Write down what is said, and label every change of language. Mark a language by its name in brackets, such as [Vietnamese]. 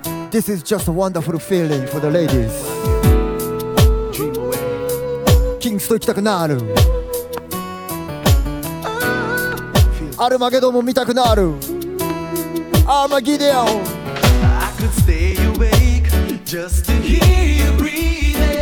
[English] This is just a wonderful feeling for the ladies. [Japanese] キングスト行きたくなる。アルマゲドンも見たくなる。アーマギデオン。 [English] I could stay awake just to hear you breathing.